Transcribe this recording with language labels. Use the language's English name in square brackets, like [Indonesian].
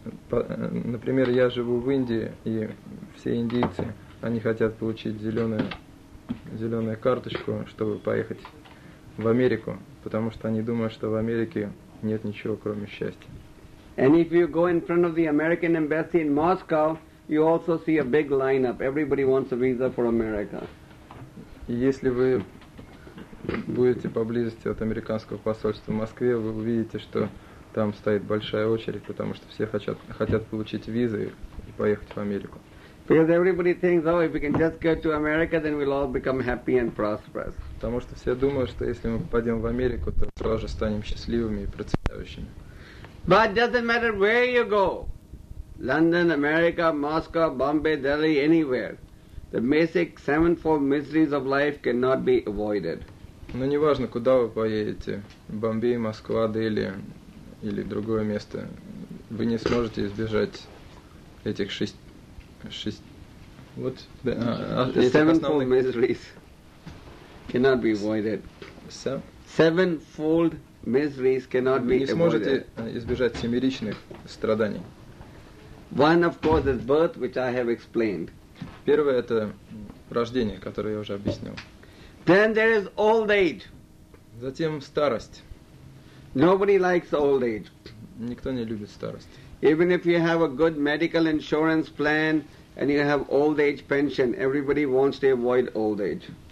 [Russian] Например, я живу в Индии, и все индийцы, они хотят получить зеленую карточку, чтобы поехать в Америку, потому что они думают, что в Америке нет ничего, кроме счастья. [English] And if you go in front of the American embassy in Moscow, you also see a big lineup. Everybody wants a visa for America. [Russian] Если вы будете поблизости от американского посольства в Москве, вы увидите, что там стоит большая очередь, потому что все хотят получить визы и поехать в Америку. [English] Because everybody thinks, oh, if we can just get to America, then we'll all become happy and prosperous. [Russian] Потому что все думают, что если мы попадем в Америку, то сразу же станем счастливыми и процветающими. [English] But it doesn't matter where you go. London, America, Moscow, Bombay, Delhi, anywhere. The basic sevenfold miseries of life cannot be avoided. [Russian] Но не важно, куда вы поедете, Бомбей, Москва, Дели или другое место, вы не сможете избежать этих [English] sevenfold miseries cannot be avoided. Sevenfold miseries cannot be avoided. [Russian] Вы не сможете избежать семеричных страданий. [English] One, of course, is birth, which I have explained. [Russian] Первое – это рождение, которое я уже объяснил. [English] Then there is old age. [Russian] Затем старость. [English] Nobody likes old age. [Russian] Никто не любит старость. [English] Even if you have a good medical insurance plan and you have old age pension, everybody wants to avoid old age.